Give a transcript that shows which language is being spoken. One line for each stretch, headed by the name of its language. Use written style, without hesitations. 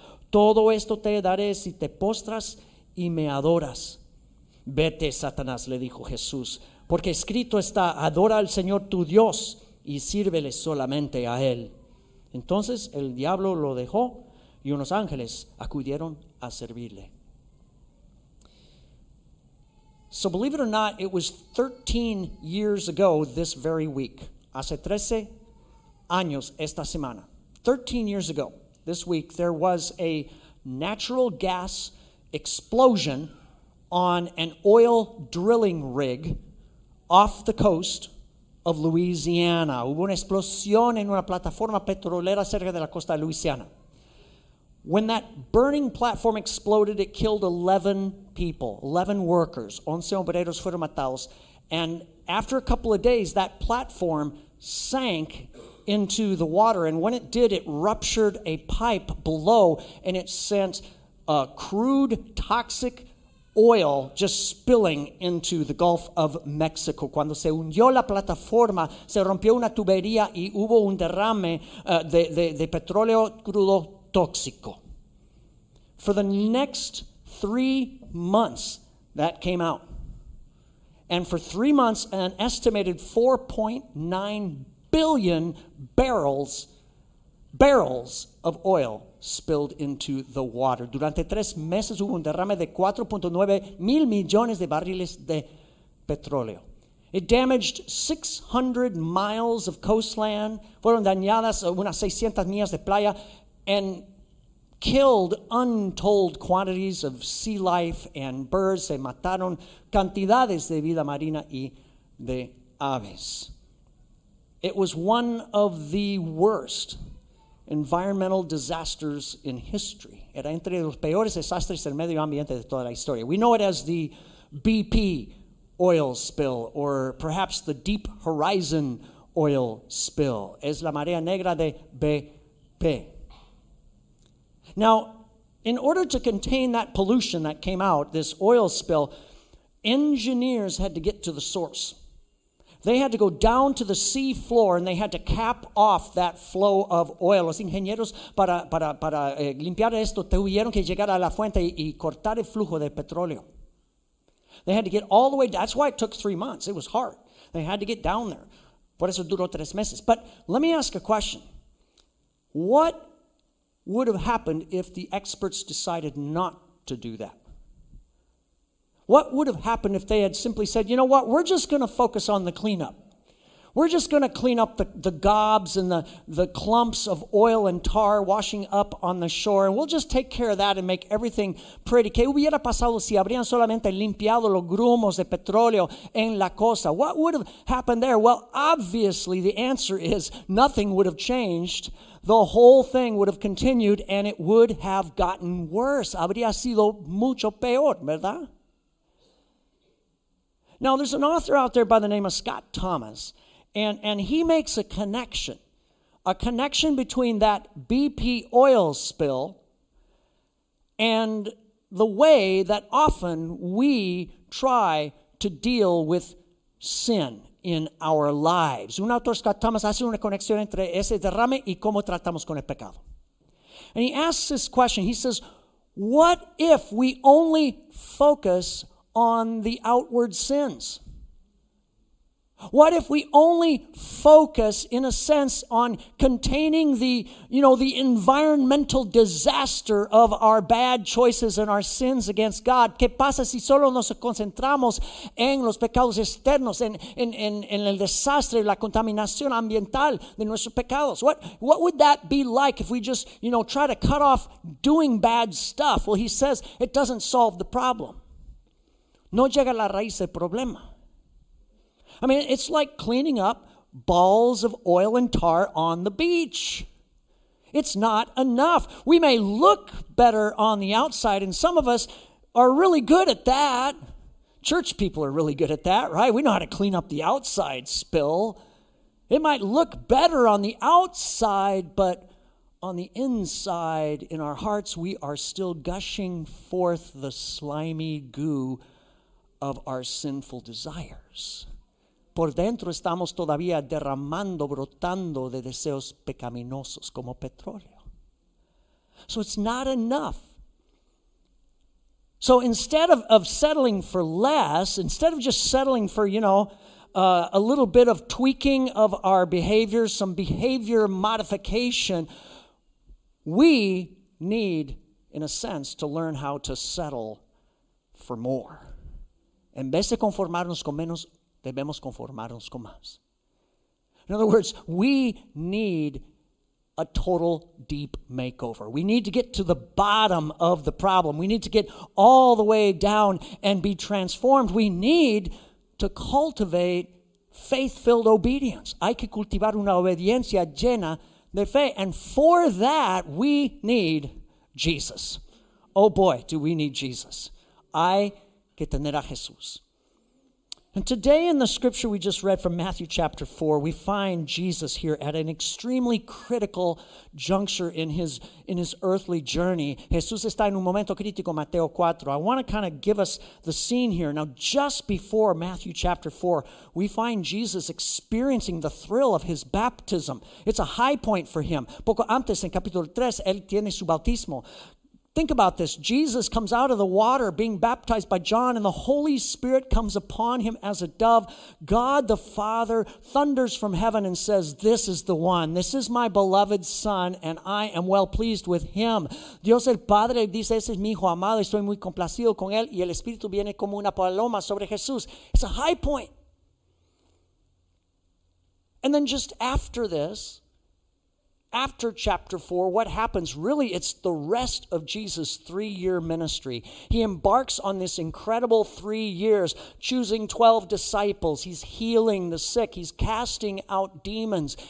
Spanish: "Todo esto te daré si te postras y me adoras." "Vete, Satanás", le dijo Jesús, "porque escrito está, adora al Señor tu Dios y sírvele solamente a él." Entonces el diablo lo dejó y unos ángeles acudieron a servirle.
English: So believe it or not, it was 13 years ago this very week,
Spanish: Hace 13 años esta semana.
English: 13 years ago, this week, there was a natural gas explosion on an oil drilling rig off the coast of Louisiana.
Spanish: Hubo una explosión en una plataforma petrolera cerca de la costa de Louisiana.
English: When that burning platform exploded, it killed 11 people, 11 workers.
Spanish: 11 obreros fueron matados.
English: And after a couple of days, that platform sank into the water. And when it did, it ruptured a pipe below, and it sent a crude, toxic oil just spilling into the Gulf of Mexico.
Spanish: Cuando se hundió la plataforma, se rompió una tubería y hubo un derrame de petróleo crudo tóxico.
English: For the next 3 months, that came out. And for 3 months, an estimated 4.9 billion barrels of oil spilled into the water.
Spanish: Durante tres meses hubo un derrame de 4.9 mil millones de barriles de petróleo.
English: It damaged 600 miles of coastline.
Spanish: Fueron dañadas unas 600 millas de playa
English: and killed untold quantities of sea life and birds.
Spanish: Se mataron cantidades de vida marina y de aves.
English: It was one of the worst environmental disasters in history.
Spanish: Era entre los peores desastres del medio ambiente de toda la historia.
English: We know it as the BP oil spill, or perhaps the Deep Horizon oil spill.
Spanish: Es la marea negra de BP.
English: Now, in order to contain that pollution that came out, this oil spill, engineers had to get to the source. They had to go down to the sea floor and they had to cap off that flow of oil.
Spanish: Los ingenieros para limpiar esto tuvieron que llegar a la fuente y cortar el flujo de petróleo.
English: They had to get all the way down. That's why it took 3 months. It was hard. They had to get down there.
Spanish: Por eso duró tres meses.
English: But let me ask a question. What would have happened if the experts decided not to do that? What would have happened if they had simply said, you know what, we're just going to focus on the cleanup. We're just going to clean up the gobs and the clumps of oil and tar washing up on the shore, and we'll just take care of that and make everything pretty.
Spanish: ¿Qué hubiera pasado si habrían solamente limpiado los grumos de petróleo en la costa?
English: What would have happened there? Well, obviously, the answer is nothing would have changed. The whole thing would have continued, and it would have gotten worse.
Spanish: Habría sido mucho peor, ¿verdad?
English: Now, there's an author out there by the name of Scott Thomas, and he makes a connection between that BP oil spill and the way that often we try to deal with sin in our lives.
Spanish: Un autor, Scott Thomas, hace una conexión entre ese derrame y cómo tratamos con el pecado.
English: And he asks this question. He says, what if we only focus on the outward sins? What if we only focus, in a sense, on containing the environmental disaster of our bad choices and our sins against God?
Spanish: ¿Qué pasa si solo nos concentramos en los pecados externos, en el desastre, la contaminación ambiental de nuestros pecados?
English: What would that be like if we just, you know, try to cut off doing bad stuff? Well, he says it doesn't solve the problem.
Spanish: No llega a la raíz del problema.
English: I mean, it's like cleaning up balls of oil and tar on the beach. It's not enough. We may look better on the outside, and some of us are really good at that. Church people are really good at that, right? We know how to clean up the outside spill. It might look better on the outside, but on the inside, in our hearts, we are still gushing forth the slimy goo of our sinful desires.
Spanish: Por dentro estamos todavía derramando, brotando de deseos pecaminosos como petróleo.
English: So it's not enough. So instead of settling for less, instead of just settling for, you know, a little bit of tweaking of our behavior, some behavior modification, we need, in a sense, to learn how to settle for more.
Spanish: En vez de conformarnos con menos, debemos conformarnos con más.
English: In other words, we need a total deep makeover. We need to get to the bottom of the problem. We need to get all the way down and be transformed. We need to cultivate faith-filled obedience.
Spanish: Hay que cultivar una obediencia llena de fe.
English: And for that, we need Jesus. Oh boy, do we need Jesus.
Spanish: Hay que tener a Jesús.
English: And today in the scripture we just read from Matthew chapter 4, we find Jesus here at an extremely critical juncture in his earthly journey.
Spanish: Jesús está en un momento crítico, Mateo 4.
English: I want to kind of give us the scene here. Now, just before Matthew chapter 4, we find Jesus experiencing the thrill of his baptism. It's a high point for him.
Spanish: Poco antes, en capítulo 3, él tiene su bautismo.
English: Think about this. Jesus comes out of the water being baptized by John, and the Holy Spirit comes upon him as a dove. God the Father thunders from heaven and says, "This is the one. This is my beloved Son, and I am well pleased with him."
Spanish: Dios el Padre dice, "Ese es mi hijo amado, estoy muy complacido con él." Y el Espíritu viene como una paloma sobre Jesús.
English: It's a high point. And then just after this, after chapter 4, what happens? Really, it's the rest of Jesus' three-year ministry. He embarks on this incredible 3 years, choosing 12 disciples. He's healing the sick. He's casting out demons.